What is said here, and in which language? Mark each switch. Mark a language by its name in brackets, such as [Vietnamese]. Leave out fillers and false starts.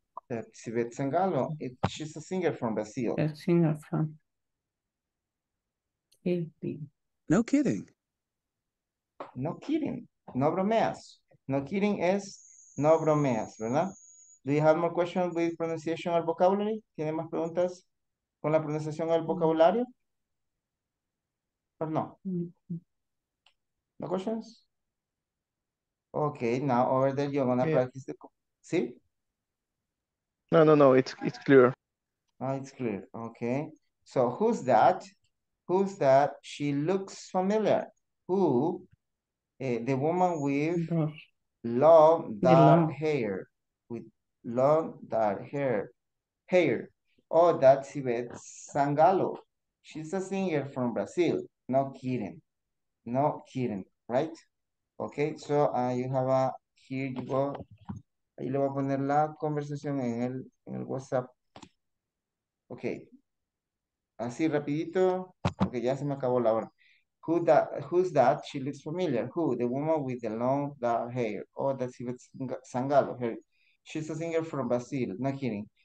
[English] That's Ivete Sangalo. She's a singer from Brazil. A singer from. No kidding. [Spanish] No kidding. No bromeas. No kidding es no bromeas, ¿verdad? [English] Do you have more questions with pronunciation or vocabulary? [Spanish] ¿Tiene más preguntas con la pronunciación o el vocabulario? [English] ¿O no? No questions? Okay, now over there you're gonna practice the ¿sí? No, it's clear. Oh, it's clear. Okay. So who's that? Who's that? She looks familiar. Who? The woman with long dark hair. With long dark hair. Hair. Oh, that's Ivete Sangalo. She's a singer from Brazil. No kidding. No kidding. Right? Okay, so you have a, here you go. [Spanish] Ahí le voy a poner la conversación en el WhatsApp. Okay. Así rapidito, porque ya se me acabó la hora. [English] Who's that? She looks familiar. Who? The woman with the long dark hair. Oh, that's Ivete Sangalo. Her. She's a singer from Brazil. No kidding.